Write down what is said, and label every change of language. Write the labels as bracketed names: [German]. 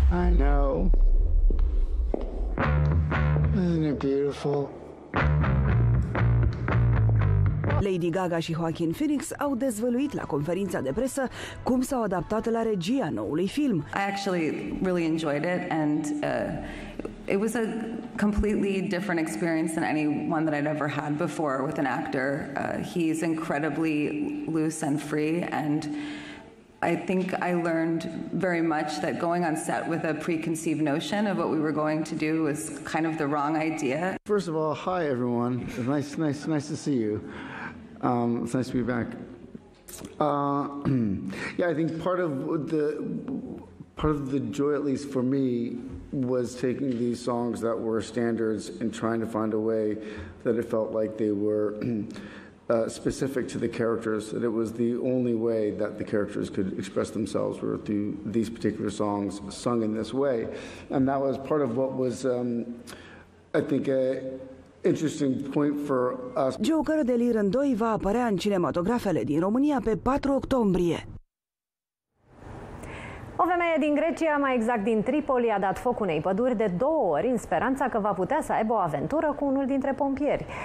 [English] I know. Isn't it beautiful? [Romanian] Lady Gaga și Joaquin Phoenix au dezvăluit la conferința de presă cum s-au adaptat la regia noului film. [English] I actually really enjoyed it and it was a completely different experience than any one that I'd ever had before with an actor. He's incredibly loose and free and I think I learned very much that going on set with a preconceived notion of what we were going to do was kind of the wrong idea. First of all, hi everyone. It's nice to see you. It's nice to be back. Yeah, I think part of the joy, at least for me, was taking these songs that were standards and trying to find a way that it felt like they were specific to the characters, that it was the only way that the characters could express themselves were through these particular songs sung in this way. And that was part of what was I think a interesting point for us. [Romanian] Joker de Lear în 2 va apărea în cinematografele din România pe 4 octombrie. O femeie din Grecia, mai exact din Tripoli, a dat foc unei păduri de 2 ori în speranța că va putea să aibă o aventură cu unul dintre pompieri.